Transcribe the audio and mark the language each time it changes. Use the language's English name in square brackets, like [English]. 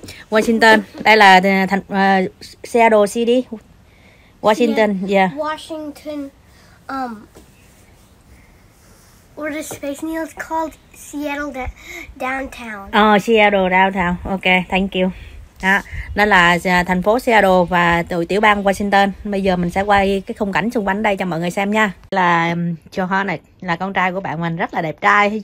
[Vietnamese] Washington, đây là Seattle city. [English] Washington, yeah. Washington, or the space needle is called Seattle downtown. Oh, Seattle downtown. Okay, thank you. [Vietnamese] Đó, nó là thành phố Seattle và từ tiểu bang Washington. Bây giờ mình sẽ quay cái khung cảnh xung quanh đây cho mọi người xem nha. Là Johannes, là con trai của bạn mình, rất là đẹp trai.